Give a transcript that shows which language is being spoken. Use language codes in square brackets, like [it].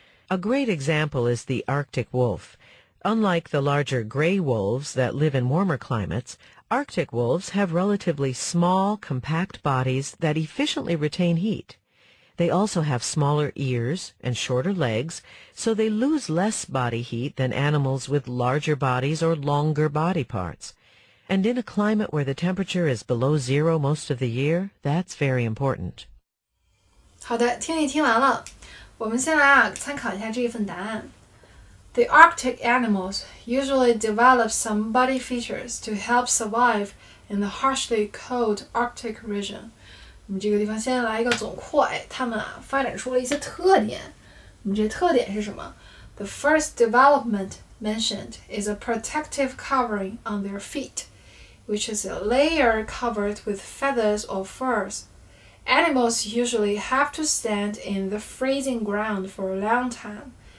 [en] A great example is the Arctic wolf. Unlike the larger gray wolves that live in warmer climates, Arctic wolves have relatively small, compact bodies that efficiently retain heat. They also have smaller ears and shorter legs, so they lose less body heat than animals with larger bodies or longer body parts. And in a climate where the temperature is below zero most of the year, that's very important. [zh] 好的，听力听完了，我们先来啊，参考一下这一份答案。 [en] The Arctic animals usually develop some body features to help survive in the harshly cold Arctic region. [zh] 我们这个地方先来一个总括，哎，他们啊发展出了一些特点。我们这些特点是什么 [en] ？The first development mentioned is a protective covering on their feet, which is a layer covered with feathers or furs. Animals usually have to stand in the freezing ground for a long time.